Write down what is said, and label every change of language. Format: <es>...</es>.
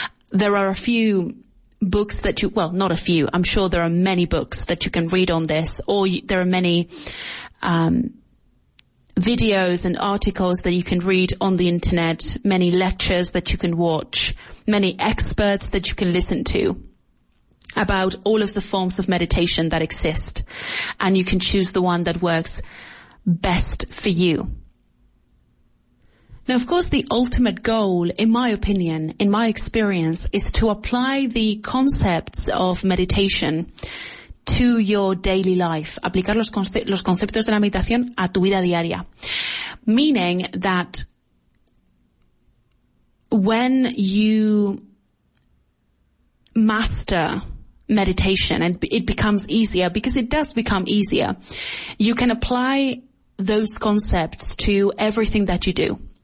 <en>There are a few books that you, well, not a few. I'm sure there are many books that you can read on this, or there are many videos and articles that you can read on the internet, many lectures that you can watch, many experts that you can listen to about all of the forms of meditation that exist, and you can choose the one that works best for you. Now, of course, the ultimate goal, in my opinion, in my experience, is to apply the concepts of meditation to your daily life.</en> <es>Aplicar los conceptos de la meditación a tu vida diaria.</es> <en>Meaning that when you master meditation and it becomes easier, because it does become easier, you can apply those concepts to everything that you do.</en>